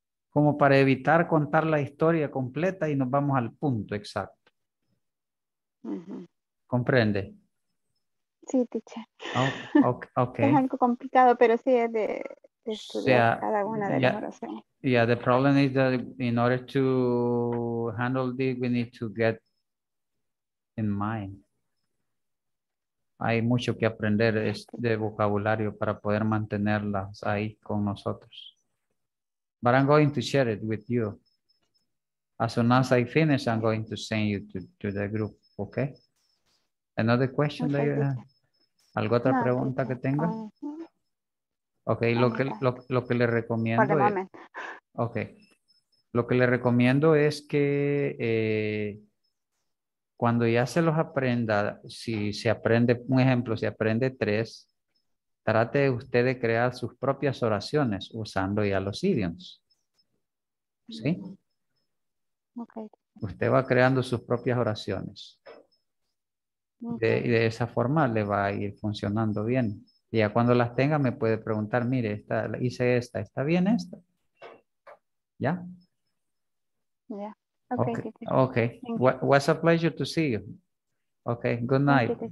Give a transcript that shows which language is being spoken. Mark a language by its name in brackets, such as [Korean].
[Spanish] Como para evitar contar la historia completa y nos vamos al punto exacto. Uh-huh. ¿Comprende? Sí, teacher. [English] Oh, okay. [Spanish] Es algo complicado, pero sí es de estudiar cada una de las oraciones. [English] Yeah, the problem is that in order to handle this, we need to get in mind. [Spanish] Hay mucho que aprender de vocabulario para poder mantenerlas ahí con nosotros. [English] But I'm going to share it with you. As soon as I finish, I'm going to send you to the group. [Spanish] Okay. [English] Another question. [Spanish] Okay. ¿Algo otra pregunta que tenga? Okay. Lo que le recomiendo. Es, [English] okay. [Spanish] Lo que le recomiendo es que cuando ya se los aprenda, si se aprende un ejemplo, si aprende tres, trate usted de crear sus propias oraciones usando ya los idioms. ¿Sí? [English] Okay. [Spanish] Usted va creando sus propias oraciones. De esa forma le va a ir funcionando bien. Y ya cuando las tenga me puede preguntar, mire, esta, hice esta, ¿está bien esta? ¿Ya? Ya. [English] Yeah. Okay. Okay. Okay. What's a pleasure to see you. Okay, good night.